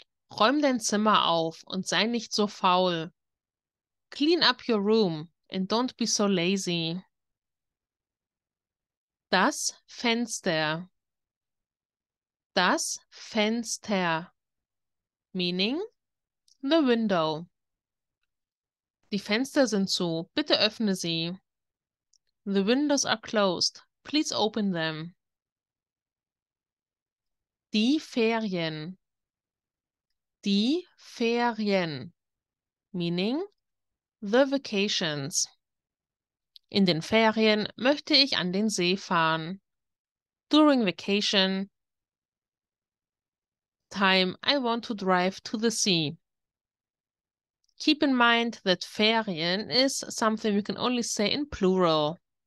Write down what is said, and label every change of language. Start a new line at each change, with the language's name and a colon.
German: Räum dein Zimmer auf und sei nicht so faul.
English: Clean up your room and don't be so lazy.
German: Das Fenster. Das Fenster.
English: Meaning the window.
German: Die Fenster sind zu. Bitte öffne sie.
English: The windows are closed. Please open them.
German: Die Ferien. Die Ferien.
English: Meaning the vacations.
German: In den Ferien möchte ich an den See fahren.
English: During vacation time, I want to drive to the sea. Keep in mind that Ferien is something you can only say in plural.